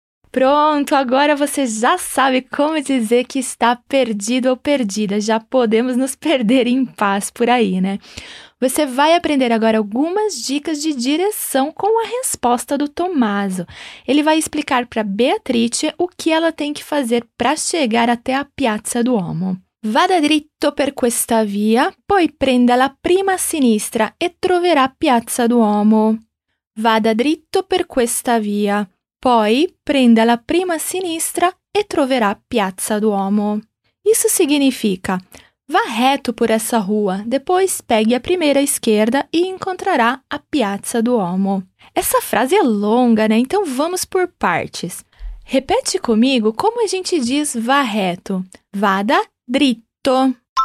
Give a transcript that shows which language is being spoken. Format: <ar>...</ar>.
<pt>Pronto, agora você já sabe como dizer que está perdido ou perdida. Já podemos nos perder em paz por aí, né? Você vai aprender agora algumas dicas de direção com a resposta do Tommaso. Ele vai explicar para Beatrice o que ela tem que fazer para chegar até a Piazza Duomo.</pt> <it>Vada dritto per questa via, poi prenda la prima a sinistra e troverà Piazza Duomo. Vada dritto per questa via. Poi prenda la prima a sinistra e troverà Piazza Duomo.</it> <pt>Isso significa: vá reto por essa rua, depois pegue a primeira esquerda e encontrará a Piazza Duomo. Essa frase é longa, né? Então vamos por partes. Repete comigo como a gente diz vá reto.</pt> <it>Vada dritto.</it>